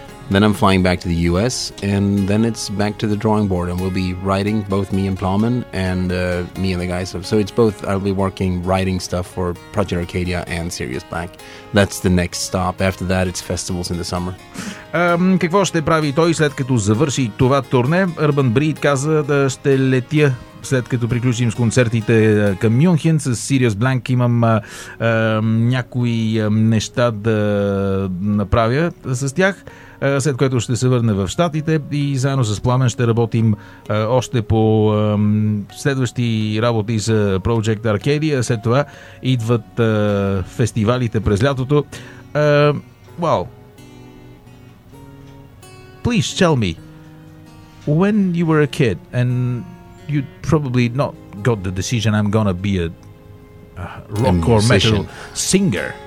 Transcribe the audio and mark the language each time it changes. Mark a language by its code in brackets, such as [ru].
[en] Then I'm flying back to the US, and then it's back to the drawing board, and we'll be writing, both me and Plowman, and me and the guys. So it's both, I'll be working, writing stuff for Project Arcadia and Sirius Black. That's the next stop. After that, it's festivals in the summer. [bg] Какво ще прави той след като завърши това турне? Urban Breed каза да ще летя след като приключим с концертите към Мюнхен. С Sirius Black имам някои неща да направя с тях, след което ще се върне в Щатите и заедно с Пламен ще работим още по следващи работи за Project Arcadia. След това идват фестивалите през лятото. [en] Well, please tell me, when you were a kid and you probably not got the decision I'm gonna be a rock or metal singer.